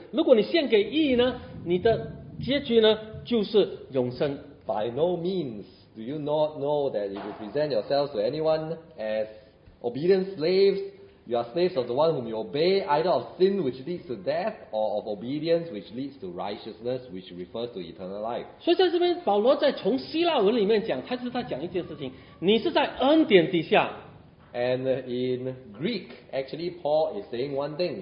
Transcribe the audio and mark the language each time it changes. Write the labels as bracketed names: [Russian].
[Chinese] 如果你献给义呢，你的结局呢就是永生。 [English] By no means do you not know that if you present yourselves to anyone as obedient slaves, you are slaves of the one whom you obey, either of sin which leads to death, or of obedience which leads to righteousness, which refers to eternal life. [Chinese] 所以在这边，保罗在从希腊文里面讲，他是在讲一件事情：你是在恩典底下。 [English] And in Greek, actually, Paul is saying one thing.